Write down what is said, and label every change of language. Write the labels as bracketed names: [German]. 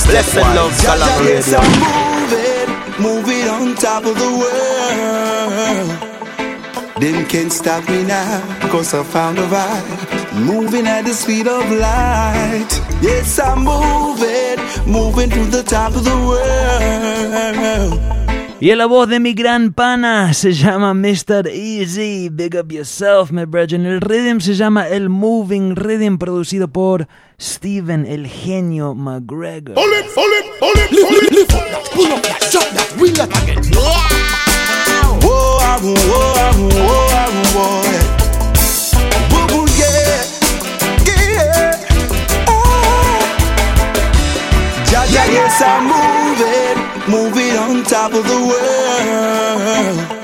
[English] blessed love, Galang Radio. Move it on top of the world. Them can't stop me now, cause I found a vibe. Moving at the speed of light. Yes, I'm moving, moving to the top of the world. [Spanish] Y la voz de mi gran pana se llama Mr. Easy. [English] Big up yourself, my brother. [Spanish] El rhythm se llama El Moving Rhythm, producido por Steven, el genio McGregor. [English] Pull it, pull it, pull it, pull it, lift up that, pull up that, chop that, wheel that again. Whoa, I'm, whoa, I'm, whoa, I'm, whoa, I'm, whoa, yeah. Whoa, whoa, yeah, yeah, oh. Ja, ja, yes, I'm moving. Moving on top of the world.